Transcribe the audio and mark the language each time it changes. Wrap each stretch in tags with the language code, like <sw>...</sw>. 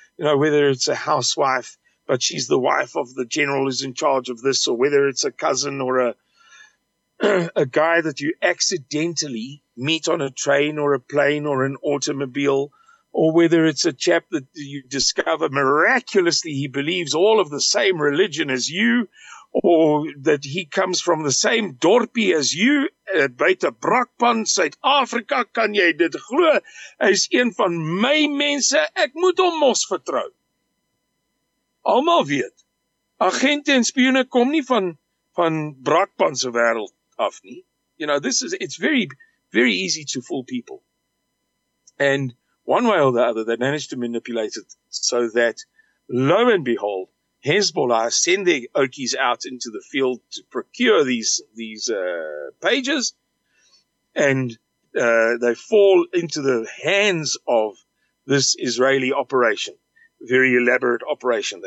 <en>You know, whether it's a housewife, but she's the wife of the general who's in charge of this, or whether it's a cousin or a guy that you accidentally meet on a train or a plane or an automobile, or whether it's a chap that you discover miraculously he believes all of the same religion as you, or that he comes from the same dorpie as you,</en> <af>buite Brakpan, Suid-Afrika, kan jy dit glo? Hy is een van my mense, ek moet hom mos vertrou. Almal weet, agente en spioene kom nie van Brakpan se wêreld af nie.</af> <en>You know, this is, it's very, very easy to fool people. And one way or the other, they managed to manipulate it so that, lo and behold, Hezbollah send their okies out into the field to procure these pages, and they fall into the hands of this Israeli operation, very elaborate operation.</en>